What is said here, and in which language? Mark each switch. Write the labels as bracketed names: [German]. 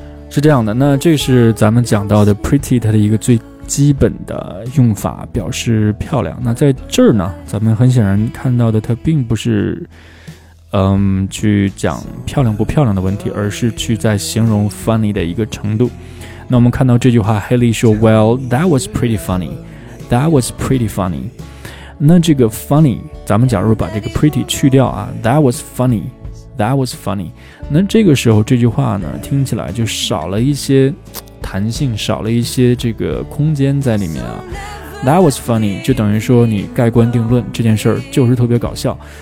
[Chinese] 是这样的，那这是咱们讲到的 pretty 它的一个最基本的用法，表示漂亮。那在这儿呢，咱们很显然看到的它并不是去讲漂亮不漂亮的问题，而是去在形容 funny 的一个程度。那我们看到这句话， Haley 说 [English] Well, that was pretty funny. That was pretty funny. [Chinese] 那这个 funny， 咱们假如把这个 pretty 去掉啊， [English] That was funny. That was funny. [Chinese] 那这个时候这句话呢听起来就少了一些弹性，少了一些这个空间在里面啊。 [English] That was funny [Chinese] 就等于说你盖棺定论，这件事儿就是特别搞笑。